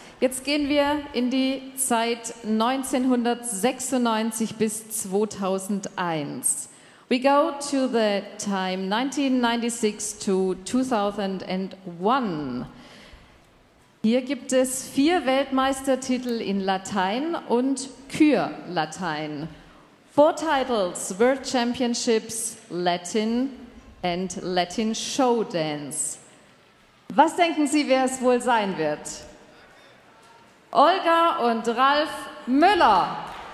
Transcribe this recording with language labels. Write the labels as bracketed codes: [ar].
[de] Jetzt gehen wir in die Zeit 1996 bis 2001. [en] We go to the time 1996 to 2001. [de] Hier gibt es 4 Weltmeistertitel in Latein und Kür-Latein. [en] Four titles: World Championships, Latin and Latin Show Dance. [de] Was denken Sie, wer es wohl sein wird? Olga und Ralf Müller.